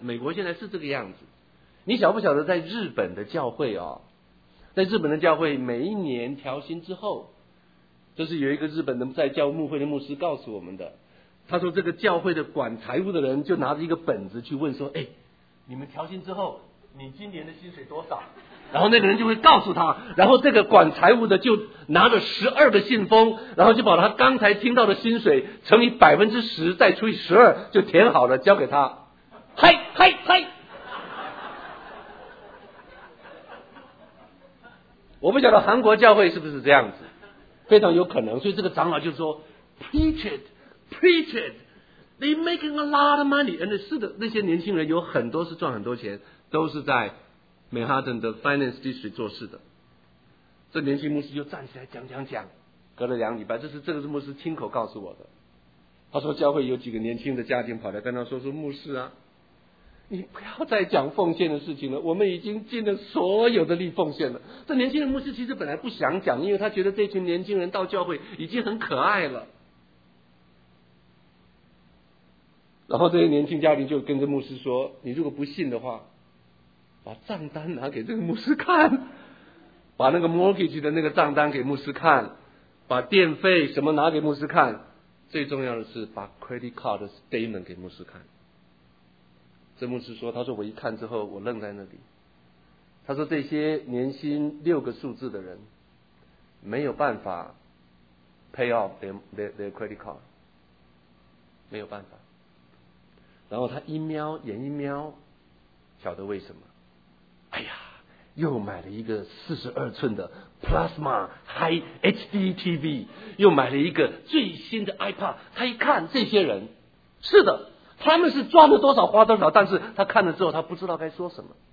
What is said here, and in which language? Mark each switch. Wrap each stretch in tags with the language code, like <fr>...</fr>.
<zh>美国现在是这个样子。你晓不晓得在日本的教会哦，在日本的教会每一年调薪之后，这是有一个日本的在教牧会的牧师告诉我们的，他说这个教会的管财务的人就拿着一个本子去问说，哎，你们调薪之后你今年的薪水多少，然后那个人就会告诉他，然后这个管财务的就拿着12个信封，然后就把他刚才听到的薪水乘以 10% 再除以12就填好了交给他。嗨嗨嗨，我不晓得韩国教会是不是这样子，非常有可能。所以这个长老就说</zh> <en>Preach itPreach it, they making a lot of money.</en> <zh>And 是的，那些年轻人有很多是赚很多钱，都是在曼哈顿的 Finance District 做事的。这年轻牧师就站起来讲，隔了两礼拜，这个是牧师亲口告诉我的。他说教会有几个年轻的家庭跑来跟他说，说牧师啊，你不要再讲奉献的事情了，我们已经尽了所有的力奉献了。这年轻的牧师其实本来不想讲，因为他觉得这群年轻人到教会已经很可爱了。然后这些年轻家庭就跟着牧师说，你如果不信的话，把账单拿给这个牧师看，把那个 mortgage 的那个账单给牧师看，把电费什么拿给牧师看，最重要的是把 credit card 的 statement 给牧师看。这牧师说，他说我一看之后我愣在那里，他说这些年薪6个数字的人没有办法</zh> <en>pay off their credit card，</en> <zh>没有办法。然后他一瞄，眼一瞄，晓得为什么？哎呀，又买了一个42寸的 plasma high HD TV， 又买了一个最新的 iPad。他一看这些人，是的，他们是赚了多少花多少，但是他看了之后，他不知道该说什么。</zh>